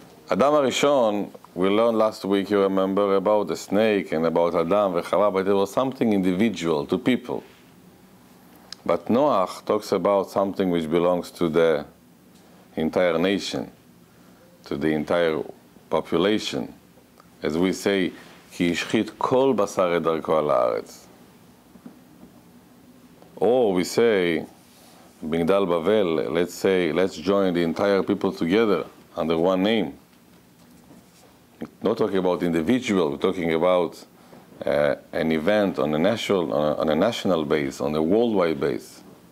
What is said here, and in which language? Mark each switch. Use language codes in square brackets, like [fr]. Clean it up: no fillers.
[en] Adam HaRishon, we learned last week, you remember, about the snake and about Adam v'Chava, but it was something individual to people. But Noach talks about something which belongs to the entire nation, to the entire population. As we say, [he] כי השחית כל בשר את דרכו על הארץ. [en] Or we say, בגדל בבל, let's say, let's join the entire people together under one name. Not talking about individual, we're talking about an event on a national, base, on a worldwide base.